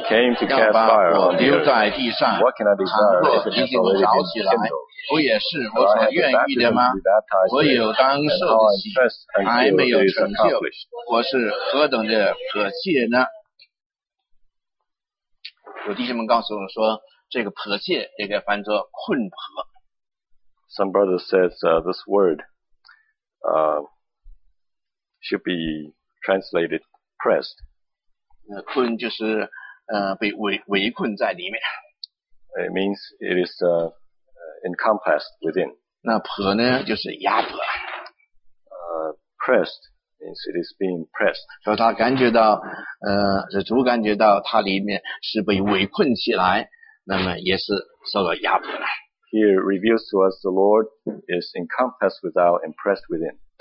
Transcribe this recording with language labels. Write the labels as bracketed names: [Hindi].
[English] I came to cast fire on the earth. What can I desire if it is already been kindled? Do I have the baptism to be baptized with, and how I'm pressed until it is accomplished? [Chinese] 我是何等的迫切呢? 有弟兄们告诉我说, 这个迫切应该翻作困迫。 [English] Some brothers said this word, should be translated pressed. [Chinese] 困就是, 被围困在里面。 [English] It means it is encompassed within. [Chinese] 那迫呢, 就是压迫。 [English] Pressed means it is being pressed. [Chinese] 说他感觉到, 主感觉到他里面是被围困起来, 那么也是受到压迫了。 [English] Here reveals to us the Lord is encompassed without and pressed within.